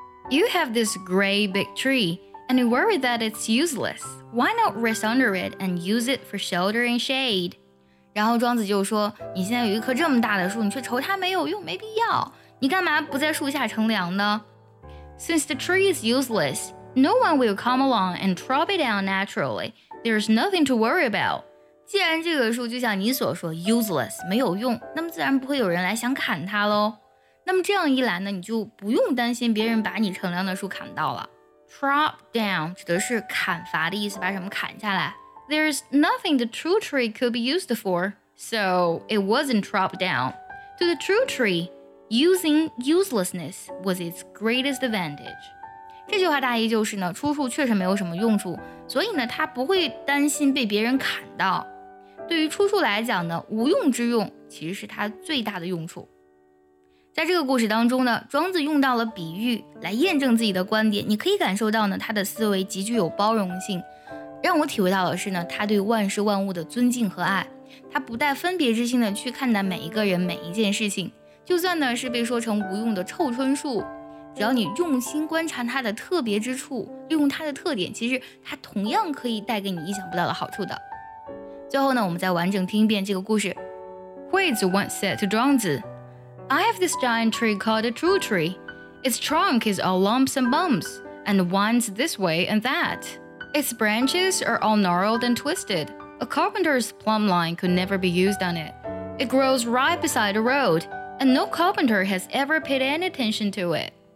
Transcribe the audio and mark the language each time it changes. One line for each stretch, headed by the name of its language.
English: You have this great big tree, and you worry that it's useless. Why not rest under it and use it for shelter and shade?
Chinese: 然后庄子就说，你现在有一棵这么大的树，你却愁它没有用，没必要。你干嘛不在树下乘凉呢？
English: Since the tree is useless, no one will come along and chop it down naturally. There's nothing to worry about.
Chinese: 既然这个树就像你所说 useless, 没有用，那么自然不会有人来想砍它咯。那么这样一来呢，你就不用担心别人把你乘凉的树砍到了。 Chop down 指的是砍伐的意思，把什么砍下来。
English: There's nothing the true tree could be used for, so it wasn't chopped down. To the true tree,Using uselessness was its greatest advantage.
Chinese: 这句话大意就是呢，出处确实没有什么用处，所以呢，他不会担心被别人砍到。对于出处来讲呢，无用之用其实是他最大的用处。在这个故事当中呢，庄子用到了比喻来验证自己的观点，你可以感受到呢，他的思维极具有包容性。让我体会到的是呢，他对万事万物的尊敬和爱，他不带分别之心的去看待每一个人每一件事情。就算呢是被说成无用的臭椿树，只要你用心观察它的特别之处，利用它的特点，其实它同样可以带给你意想不到的好处的。最后呢，我们再完整听一遍这个故事。
English: 惠子 once said to 庄子, I have this giant tree called a true tree. Its trunk is all lumps and bumps, and winds this way and that. Its branches are all gnarled and twisted. A carpenter's plumb line could never be used on it. It grows right beside the road, and no carpenter has ever paid any attention to it.